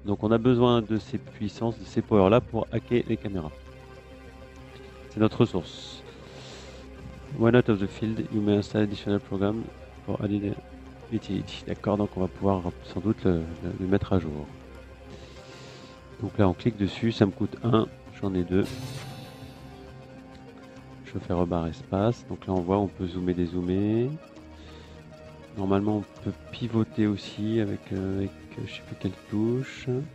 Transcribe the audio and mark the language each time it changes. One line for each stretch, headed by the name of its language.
French: Donc on a besoin de ces puissances, de ces power là pour hacker les caméras. C'est notre ressource.
English: When out of the field, you may install additional program for added utility.
French: D'accord, donc on va pouvoir sans doute le mettre à jour. Donc là on clique dessus, ça me coûte 1, j'en ai 2. Je je fais rebarre espace. Donc là on voit, on peut zoomer, dézoomer. Normalement on peut pivoter aussi avec je sais plus quelle touche.